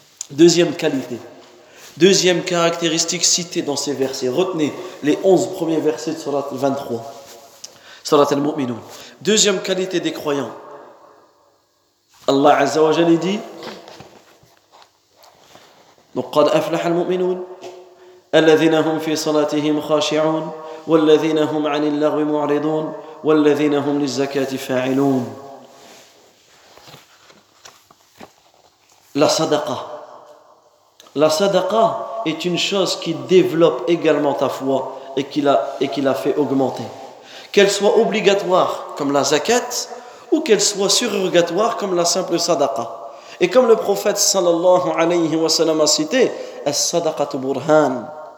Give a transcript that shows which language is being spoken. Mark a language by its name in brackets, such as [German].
[French] Deuxième caractéristique citée dans ces versets. Retenez les 11 premiers versets de Surat 23. Surat al-Mu'minun. Deuxième qualité des croyants. Allah Azza wa Jalla dit donc, [Arabic] قَدْ أَفْلَحَ الْمُؤْمِنُونَ الَّذِينَ هُمْ فِي صَلَاتِهِمْ خَاشِعُونَ وَالَّذِينَ هُمْ عَنِ اللَّغْوِ مُعْرِضُونَ وَالَّذِينَ هُمْ لِلزَّكَاةِ فَاعِلُونَ. [French] La sadaqa est une chose qui développe également ta foi et qui la fait augmenter. Qu'elle soit obligatoire comme la zakat ou qu'elle soit surrogatoire comme la simple sadaqa. Et comme le prophète sallallahu alayhi wa sallam a cité, [Arabic] as-sadaqatu burhan.